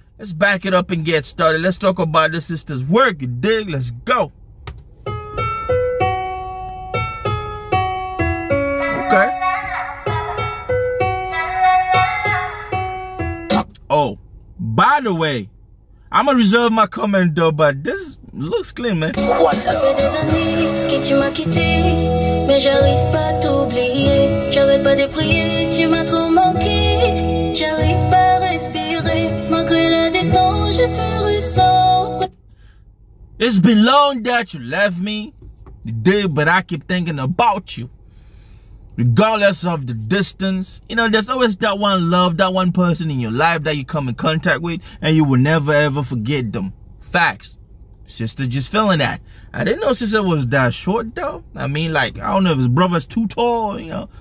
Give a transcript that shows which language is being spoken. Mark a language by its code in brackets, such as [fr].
[en] Let's back it up and get started. Let's talk about this sister's work, you dig? Let's go. Okay. Oh, by the way, I'm going to reserve my comment though, but this looks clean, man. [fr] Ça fait des années que tu m'as quitté, mais j'arrive pas à t'oublier. J'arrête pas de prier, tu m'as trop manqué. J'arrive pas à respirer, malgré la distance, je te ressens. [en] It's been long that you left me, you did, but I keep thinking about you. Regardless of the distance, you know, there's always that one love, that one person in your life that you come in contact with and you will never ever forget them. Facts. Sister just feeling that. I didn't know sister was that short though. I mean, like, I don't know if his brother's too tall, you know.